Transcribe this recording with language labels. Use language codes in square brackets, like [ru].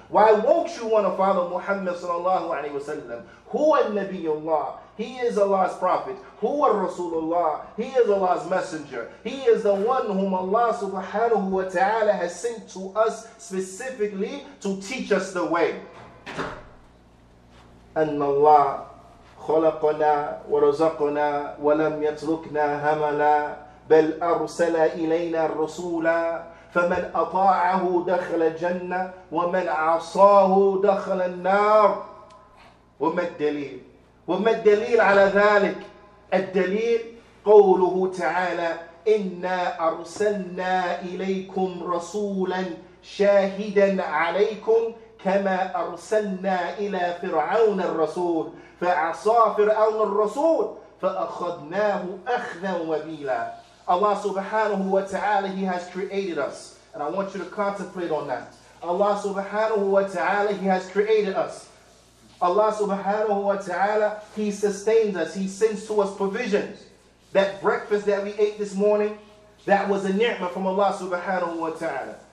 [en] Why won't you want to follow Muhammad sallallahu alayhi wa sallam? Who is Nabiullah? He is Allah's prophet. Who is Rasulullah? He is Allah's messenger. He is the one whom Allah subhanahu wa ta'ala has sent to us specifically to teach us the way. [ar] أَنَّ اللَّهَ خَلَقَنَا وَرَزَقَنَا وَلَمْ يَتْرُكْنَا هَمَلًا بَلْ أَرْسَلَ إِلَيْنَا الرَّسُولًا فَمَنْ أَطَاعَهُ دَخَلَ الْجَنَّةِ وَمَنْ عَصَاهُ دَخَلَ النَّارِ وَمَا الدَّلِيلِ وما الدليل على ذلك؟ الدليل قوله تعالى إنا أرسلنا إليكم رسولا شاهدا عليكم كما أرسلنا إلى فرعون الرسول فعصى فرعون الرسول فأخذناه أخذا وبيلا [en] Allah subhanahu wa ta'ala, He has created us. And I want you to contemplate on that. Allah subhanahu wa ta'ala, He has created us. Allah subhanahu wa ta'ala, He sustains us. He sends to us provisions. That breakfast that we ate this morning, that was a ni'mah from Allah subhanahu wa ta'ala.